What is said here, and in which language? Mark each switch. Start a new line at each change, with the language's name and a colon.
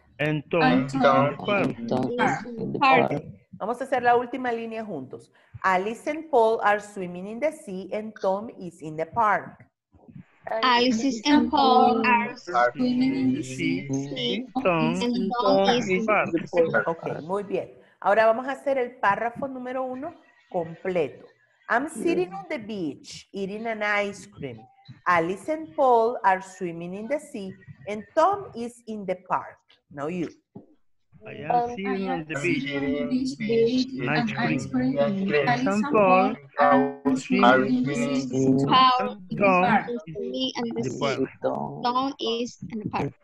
English: And Tom is in the park.
Spanish: Vamos a hacer la última línea juntos.
English: Alice and Paul are swimming in the sea and Tom is in the park. Alice and Paul are swimming in the sea and Tom is in the park.
Spanish: Ok, muy bien. Ahora vamos a hacer el párrafo número uno completo.
English: I'm sitting on the beach eating an ice cream. Alice and Paul are swimming in the sea and Tom is in the park. Now you. I am sitting on the beach eating ice cream and Tom is in the park.